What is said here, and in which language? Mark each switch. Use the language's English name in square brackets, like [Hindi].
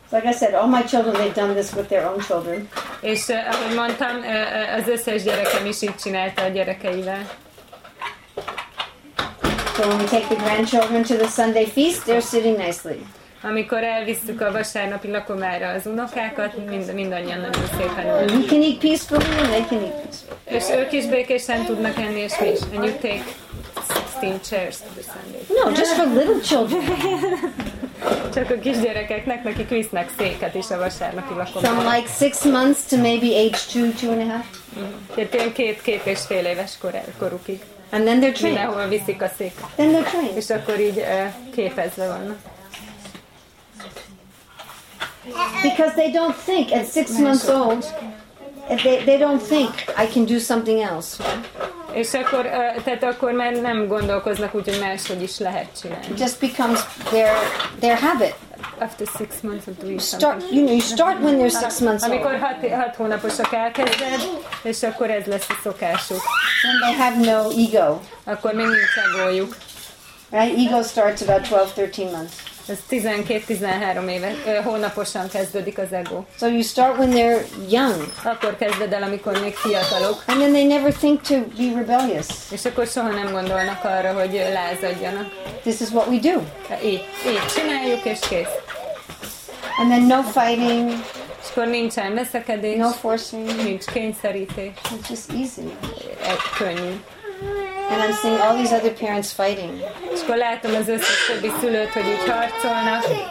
[English] Like I said, all my children, they've done this with their own children. [Hungarian] És ahogy mondtam, az összes gyerekem is így csinálta a gyerekeivel. [English] So when we take the grandchildren to the Sunday feast, they're sitting nicely. [Hungarian] Amikor elvisszük a vasárnapi lakomára az unokákat, mindannyian nagyon szépen ülnek. [English] You can eat peacefully and they can eat peacefully. [Hungarian] És ők is békésen tudnak enni, és mi is. [English] And you take 16 chairs to the Sunday feast. No, just for little children. [Hungarian] Csak a kisgyerekeknek, nekik visznek széket is a vasárnapi lakomára. [English] From like 6 months to maybe age 2, 2.5. [Hungarian] Tehát ilyen 2-2.5 éves korukig. [English] And then they're trained. [Hungarian] Mindenhol viszik a széket. [English] Then they're trained. [Hungarian] És akkor így képezve vannak. [English] Because they don't think at 6 months old, they don't think I can do something else. [Hungarian] És akkor, tehát akkor már nem gondolkoznak úgy, hogy máshogy is lehet csinálni. [English] It just becomes their habit. After 6 months of doing Start, you know, you start when they're 6 months old. [Hungarian] Amikor 6 hónaposak elkezded, és akkor ez lesz a szokásuk. [English] When they have no ego. [Hungarian] Akkor még nincs egójuk. [English] Right? Ego starts about 12-13 months. [Hungarian] Ez 12-13 éve hónaposan kezdődik az ego. [English] So you start when they're young. [Hungarian] Akkor kezded el, amikor még fiatalok. [English] And then they never think to be rebellious. [Hungarian] És akkor soha nem gondolnak arra, hogy lázadjanak. [English] This is what we do. [Hungarian] Így csináljuk és kész. [English] And then no fighting. [Hungarian] És akkor nincsen veszekedés. [English] No forcing. [Hungarian] Nincs kényszerítés. [English] It's just easy. [Hungarian] Egy könnyű. [English] And I'm seeing all these other parents fighting. [Hungarian] És akkor látom az összes többi szülőt, hogy így harcolnak.